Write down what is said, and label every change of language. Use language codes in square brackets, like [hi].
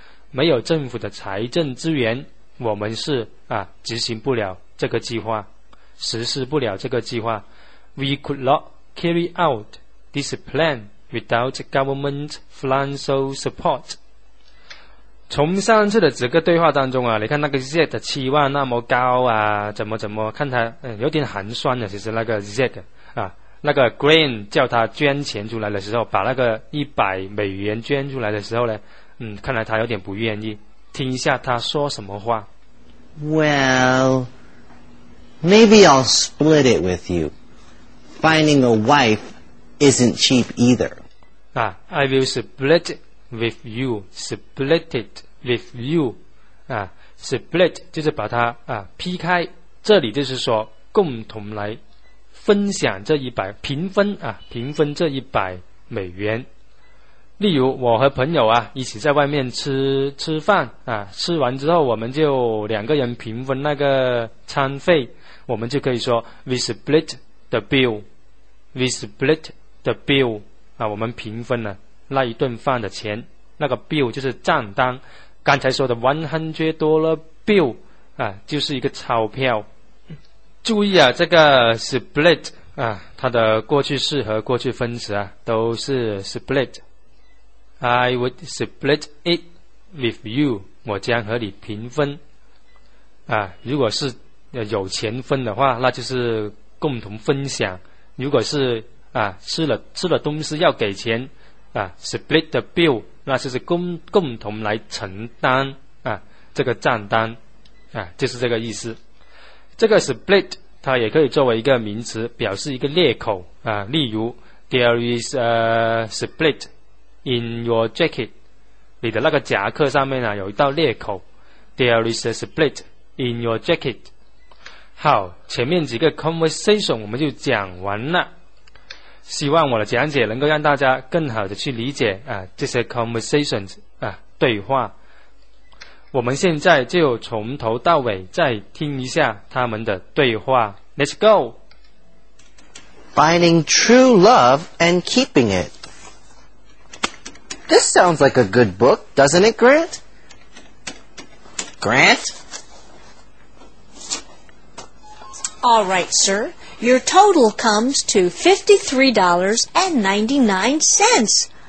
[zh] 没有政府的财政资源，我们是啊执行不了这个计划，实施不了这个计划。 [en] We could not carry out this plan without government financial support。 [zh] 从上次的这个对话当中啊，你看那个 Z 的期望那么高啊，怎么怎么看他、有点寒酸的。其实那个 Z 啊，那个 Green 叫他捐钱出来的时候，把那个$100捐出来的时候呢，看来他有点不愿意。听一下他说什么话。 [en] Well, maybe I'll split it with you. Finding a wife isn't cheap either. I will split it with you. Split it with you. [zh] Split 就是把它劈开，这里就是说共同来分享这一百，平分啊，平分这一百美元。例如我和朋友啊一起在外面吃饭啊，吃完之后我们就两个人平分那个餐费，我们就可以说 [en] we split the bill, we split the bill [zh] 啊，我们平分了那一顿饭的钱，那个 bill 就是账单，刚才说的$100 bill 啊，就是一个钞票。注意啊，这个 split 啊，它的过去式和过去分词啊都是 split。 [en] I would split it with you. [zh] 我将和你平分。啊，如果是有钱分的话，那就是共同分享。如果是啊吃了东西要给钱，啊 [en] split the bill， [zh] 那就是共同来承担啊这个账单，啊就是这个意思。这个 split 它也可以作为一个名词，表示一个裂口啊。例如 [en] ，there is a split。 In your jacket， [zh] 你的那个夹克上面啊有一道裂口。 [en] There is a split in your jacket。 [zh] 好，前面几个 conversation 我们就讲完了。希望我的讲解能够让大家更好的去理解啊这些 conversations 啊对话。我们现在就从头到尾再听一下他们的对话。 [en] Let's go. Finding true love and keeping it. This sounds like a good book, doesn't it, Grant? Grant? All right, sir. Your total comes to $53.99.